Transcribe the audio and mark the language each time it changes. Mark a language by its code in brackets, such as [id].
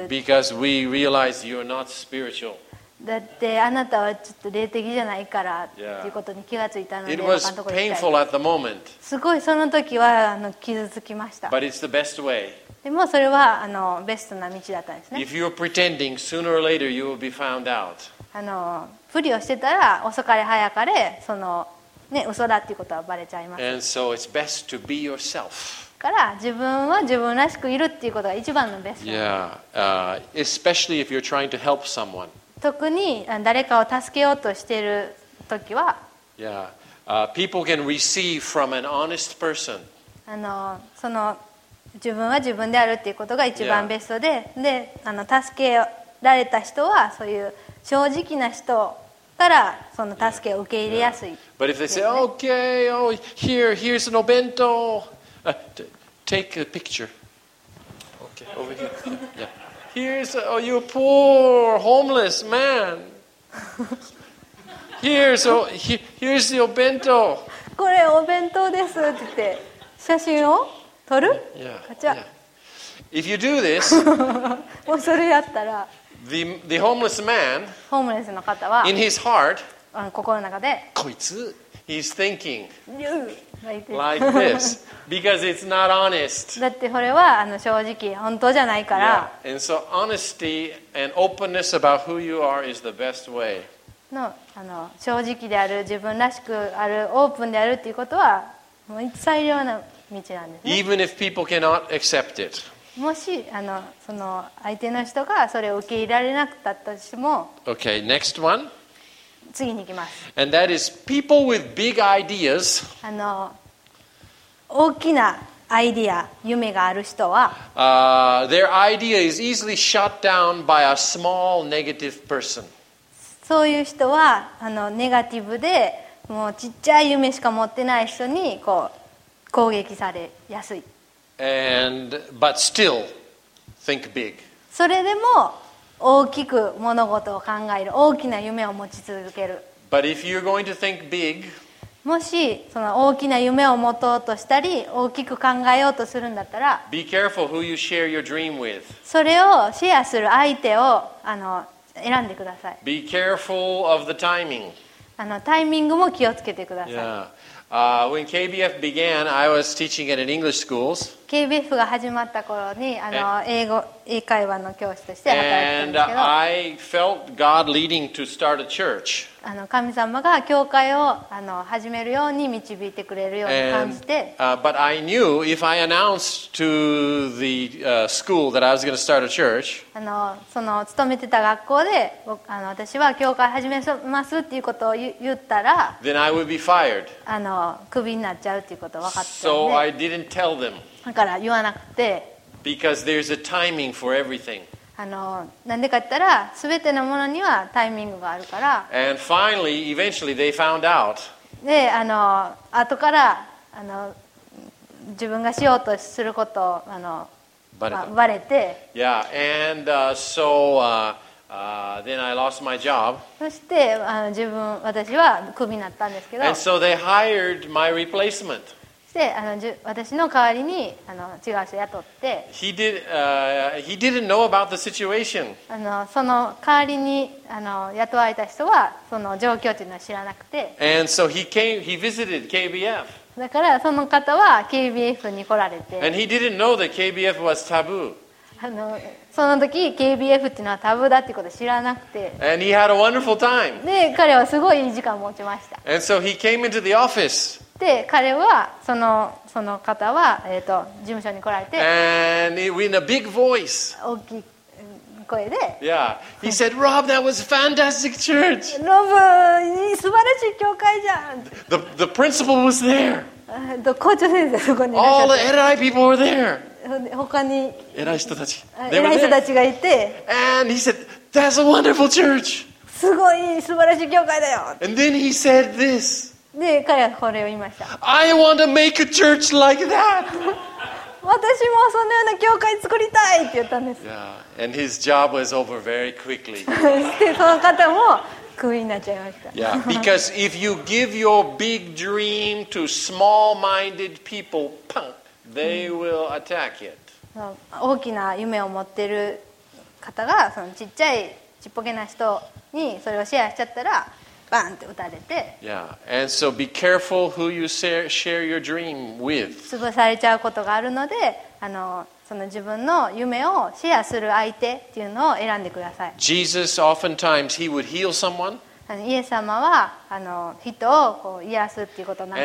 [en] Because we realize you're not spiritual. [ja] だってあなたはちょっと霊的じゃないからということに気がついたので、 [en] It was painful at the moment. [ja] すごいその時は傷つきました。 [en] But it's the best way. [ja] でもそれはベストな道だったんですね。 [en] If you're pretending, sooner or later you will be found out. [ja] ふりをしてたら遅かれ早かれその、ね、嘘だっていうことはバレちゃいます。 [en] And so it's best to be yourself. [ja] から自分は自分らしくいるっていうことが一番のベスト。 [en] Yeah, especially if you're trying to help someone. [ja] 特に誰かを助けようとしているときは、 [en] people can receive from an honest person. [ja] その自分は自分であるっていうことが一番ベストで、で、助けられた人はそういう正直な人からその助けを受け入れやすい。 [en] But if they say, okay, oh, here's an obento, take a picture. Okay, over here. Yeah. Here's a, you poor homeless man. Here's your bento. [ja] これお弁当ですって言って写真を撮る。 [en] Yeah. If you do this, [ja] もうそれやったら [en] the homeless man, [ja] ホームレスの方は [en] in his heart, [ja] 心の中でこいつ [en] he's thinking like this. Because it's not honest. [ja] だってこれは正直本当じゃないから。 [en] Yeah. And so honesty and openness about who you are is the best way. [ja] の正直である自分らしくあるオープンであるっていうことはもう最良な道なんですね。 [en] Even if people cannot accept it. [ja] もしその相手の人がそれを受け入れられなかったとしても。 [en] Okay, next one. [ja] 次に行きます。 [en] And that is people with big ideas. [ja] 大きなアイディア、夢がある人は、 [en] their idea is easily shut down by a small negative person. [ja] そういう人はネガティブで、もうちっちゃい夢しか持ってない人にこう攻撃されやすい。 [en] And but still think big. [ja] それでも大きく物事を考える、大きな夢を持ち続ける。 [en] But if you're going to think big. [ja] もしその大きな夢を持とうとしたり大きく考えようとするんだったら [en] Be careful who you share your dream with. [ja] それをシェアする相手を選んでください。 [en] Be careful of the timing. [ja] タイミングも気をつけてください。 [en] Yeah. When KBF began, I was teaching at an English schools. [ja] KBF が始まった頃に英会話の教師として働いてたんですけど [en] And I felt God leading to start a church. [ja] 神様が教会を始めるように導いてくれるように感じて、 [en] But I knew if I announced to the school that I was going to start a church, [ja] その勤めてた学校で私は教会始めますっていうことを言ったら、 [en] Then I would be fired. [ja] クビになっちゃうっていうことを分かって [en] ね。So I didn't tell them. [ja] だから言わなくて、 [en] Because there's a timing for everything. [ja] なんでか言ったら全てのものにはタイミングがあるから [en] And finally, eventually they found out. [ja] で後から自分がしようとすることをバレて [en] Yeah, and so then I lost my job. [ja] そして私はクビになったんですけど [en] And so they hired my replacement. [ja] で私の代わりに違う人を雇って [en] he didn't know about the situation. [ja] その代わりに雇われた人はその状況というのは知らなくて [en] And so he visited KBF. [ja] だからその方は KBF に来られて [en] And he didn't know that KBF was taboo. [ja] その時 KBF っていうのはタブーだってことを知らなくて [en] And he had a wonderful time. [ja] で彼はすごいいい時間を持ちました [en] And so he came into the office. [ja] で彼はその方は、事務所に来られて [en] And in a big voice. [ja] 大きい声で [en] Yeah. He said, Rob, that was a fantastic church. [ja] ロブ、素晴らしい教会じゃん。 [en] The principal was there. [ja] 校長先生そこにいらっしゃった。 [en] All the LI people were there. [ja] 他に偉い人たち。偉い人たちがいて [en] And he said, that's a wonderful church. [ja] すごい素晴らしい教会だよ。 [en] And then he said this. [ja] で彼はこれを言いました。 [en] I want to make a church like that. [ja] 私もそのような教会作りたいって言ったんです。 [en] Yeah. And his job was over very quickly. [ja] でその方もクビになっちゃいました。 [en] Yeah. Because if you give your big dream to small-minded people, punk, they will attack it. [ja] 大きな夢を持ってる方がそのちっちゃいちっぽけな人にそれをシェアしちゃったら、バンって撃たれて。 [en] Yeah. And so be careful who you share your dream with. [ja] 潰されちゃうことがあるので、その自分の夢をシェアする相手っていうのを選んでください。 [en] Jesus oftentimes he would heal someone. [ja] イエス様は人をこう癒すっていうことにな